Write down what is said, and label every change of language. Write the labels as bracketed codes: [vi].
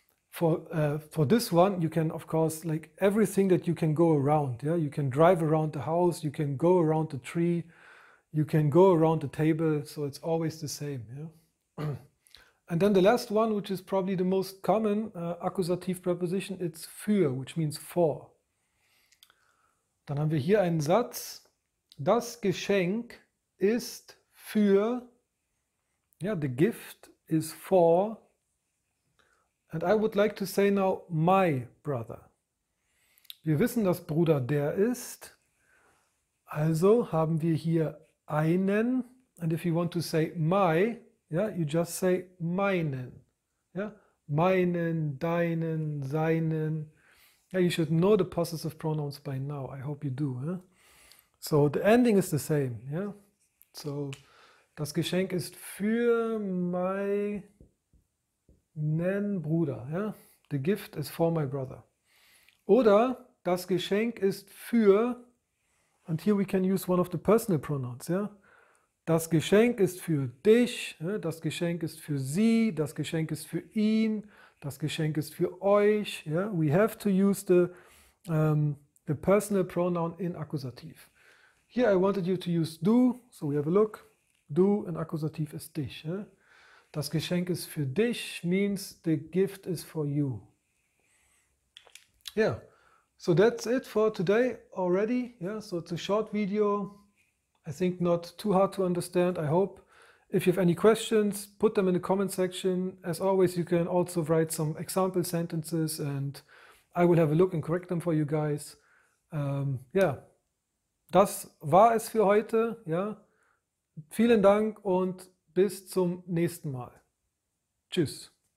[en] For this one, you can, of course, like everything that you can go around. Yeah? You can drive around the house, you can go around the tree, you can go around the table, so it's always the same. Yeah? And then the last one, which is probably the most common accusative preposition, it's für, which means for. [de] Dann haben wir hier einen Satz. Das Geschenk ist für, ja, [en] the gift is for. And I would like to say now, my brother. [de] Wir wissen, dass Bruder der ist. Also haben wir hier einen. [en] And if you want to say my, yeah, you just say meinen. Yeah? [de] Meinen, deinen, seinen. [en] Yeah, you should know the possessive pronouns by now. I hope you do. Huh? So the ending is the same. Yeah? [de] So das Geschenk ist für my. Nen Bruder, ja? [en] The gift is for my brother. [de] Oder das Geschenk ist für, [en] and here we can use one of the personal pronouns, ja? [de] Das Geschenk ist für dich, ja? Das Geschenk ist für sie, das Geschenk ist für ihn, das Geschenk ist für euch, ja? [en] We have to use the personal pronoun in Akkusativ. Here I wanted you to use du, so we have a look. [de] Du in Akkusativ ist dich, ja? Das Geschenk ist für dich, [en] means the gift is for you. Yeah, so that's it for today already. Yeah, so it's a short video. I think not too hard to understand, I hope. If you have any questions, put them in the comment section. As always, you can also write some example sentences and I will have a look and correct them for you guys. [de] Yeah, das war es für heute. Ja, vielen Dank und bis zum nächsten Mal. Tschüss.